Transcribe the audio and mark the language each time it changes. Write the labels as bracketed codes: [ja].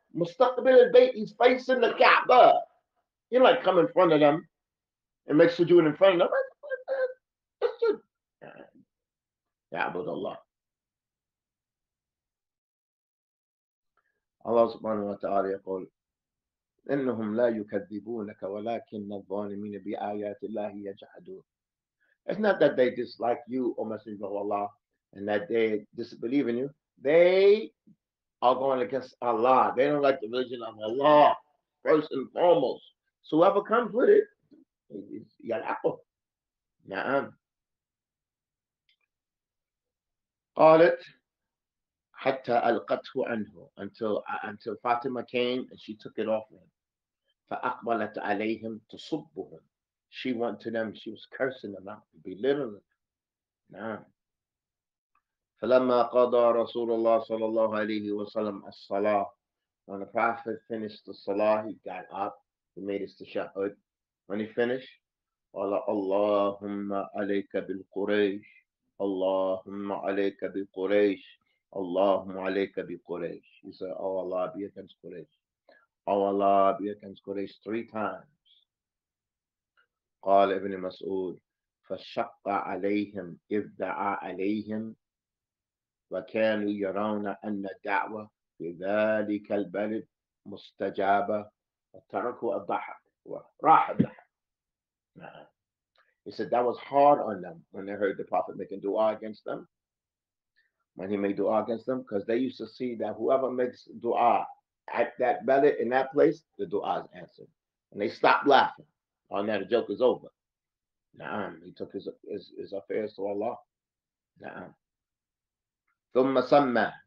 [ar] مستقبل البيت. [en] He's facing the Kaaba. He like come in front of them and make sujood in front of them. [ar] يعبد الله. الله سبحانه وتعالى يقول إنهم لا يكذبونك ولكن الظالمين بآيات الله يجحدون. [en] It's not that they dislike you or Messenger of Allah and that they disbelieve in you. They are going against Allah. They don't like the religion of Allah first and foremost. So whoever comes with it is يلعقه. نعم. [ar] قالت حتى ألقته عنه [en] until Fatima came and she took it off him. [ar] فأقبلت عليهم تصبهم. [en] She went to them. She was cursing them out, belittling them. نعم. [ar] فلما قضى رسول الله صلى الله عليه وسلم الصلاة. [en] When the Prophet finished the salah, he got up. He made his tashahud. When he finished, [ar] قال اللهم عليك بالقريش. اللهم عليك بقريش اللهم عليك بقريش [en] He said, Oh Allah be against Quraysh. Oh Allah be against Quraysh three times. [ar] قال ابن مسعود فشق عليهم إذ دعا عليهم وكانوا يرون أن الدعوة في ذلك البلد مستجابة وتركوا الضحك وراح الضحك [en] He said that was hard on them when they heard the Prophet making dua against them. When he made dua against them, because they used to see that whoever makes dua at that belly in that place, the dua is answered. And they stopped laughing. Oh, now the joke is over. Na'am. He took his affairs to Allah. Na'am. [ar] Thumma samma.